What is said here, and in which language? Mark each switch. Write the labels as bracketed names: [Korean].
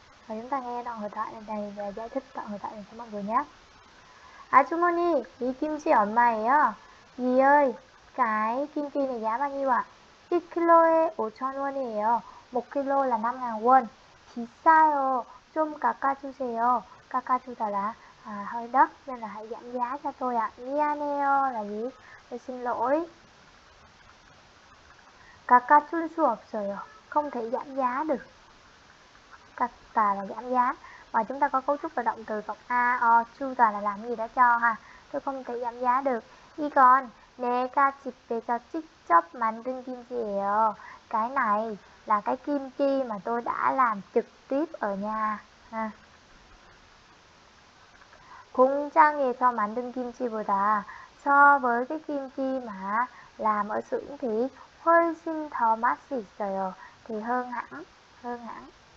[Vietnamese] Và chúng ta nghe đoạn hội thoại này, này và giải thích đoạn hội thoại này cho mọi người nhé. [Korean] 아주머니, 이 김치 얼마예요? [Vietnamese] 이 ơi, cái kim chi này giá bao nhiêu ạ? [Korean] 1kg에 5,000 won이에요. [Vietnamese] 1kg là 5.000 won. [Korean] 비싸요. 좀 깎아주세요. [Vietnamese] 깎아주다 là hơi đắt nên là hãy giảm giá cho tôi ạ. 미안해요 là gì? Tôi xin lỗi. [Korean] 깎아줄 수 없어요. [Vietnamese] Không thể giảm giá được. 깎다 là giảm giá. Và chúng ta có cấu trúc là động từ cộng a, o, 주다 là làm gì đó cho ha. Tôi không thể giảm giá được. [Korean] 이건 내가 집에서 직접 만든 김치예요. [Vietnamese] Cái này là cái kim chi mà tôi đã làm trực tiếp ở nhà. [Korean] 공장에서 만든 김치보다 [Vietnamese] so với cái kim chi mà làm ở xưởng thì hơi xin thò mát xì sờ thì hơn hẳn, hơn hẳn.